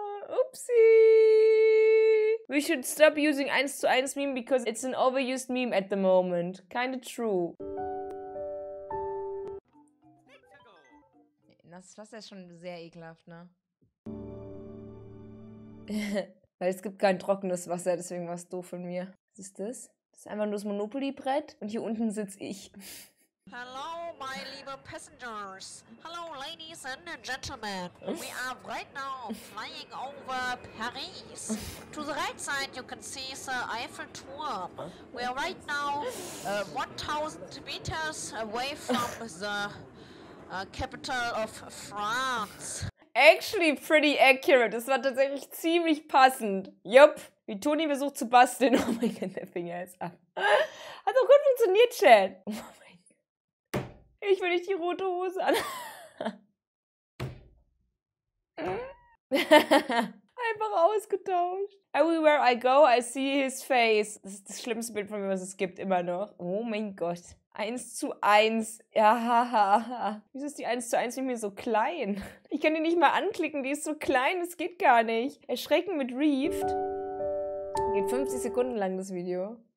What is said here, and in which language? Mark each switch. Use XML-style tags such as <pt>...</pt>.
<en>Oopsie. We should stop using 1:1 meme because it's an overused meme at the moment. Kinda true.</en> <de>Das Wasser ist schon sehr ekelhaft, ne? Weil es gibt kein trockenes Wasser, deswegen war es doof von mir. Was ist das? Das ist einfach nur das Monopoly-Brett und hier unten sitze ich.</de> <en>Hello, my</en> <de>liebe</de> <en>passengers. Hello, ladies and gentlemen. We are right now flying over Paris. To the right side, you can see the Eiffel Tower. We are right now 1,000 meters away from the capital of France. Actually pretty accurate.</en> <de>Das war tatsächlich ziemlich passend. Jupp. Wie Toni versucht zu basteln. Oh mein Gott, der Finger ist ab. Hat doch gut funktioniert, Chad. Ich will nicht die rote Hose an. Einfach ausgetauscht.</de> <en>Everywhere I go, I see his face.</en> <de>Das ist das schlimmste Bild von mir, was es gibt, immer noch. Oh mein Gott. 1:1. Ja, haha. Wieso ist die 1:1 mit mir so klein? Ich kann die nicht mal anklicken, die ist so klein, das geht gar nicht. Erschrecken mit Reefed. Geht 50 Sekunden lang, das Video.</de>